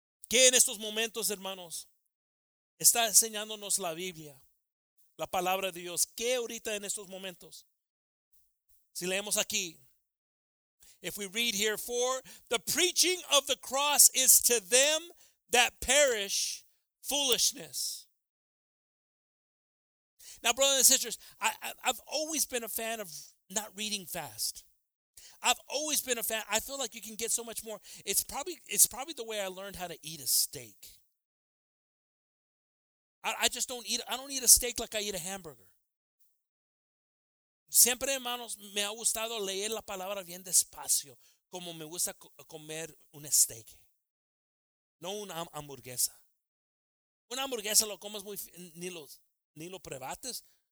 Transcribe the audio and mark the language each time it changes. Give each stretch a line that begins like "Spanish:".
Spanish: ¿Qué en estos momentos, hermanos, está enseñándonos la Biblia, la palabra de Dios? ¿Qué ahorita en estos momentos? Si leemos aquí,
English: if we read here, for the preaching of the cross is to them that perish foolishness. Now, brothers and sisters, I've always been a fan of not reading fast. I've always been a fan. I feel like you can get so much more. It's probably the way I learned how to eat a steak. I don't eat a steak like I eat a hamburger.
Spanish: Siempre, hermanos, me ha gustado leer la palabra bien despacio, como me gusta comer un steak. No una hamburguesa. Una hamburguesa lo comes muy ni lo probates.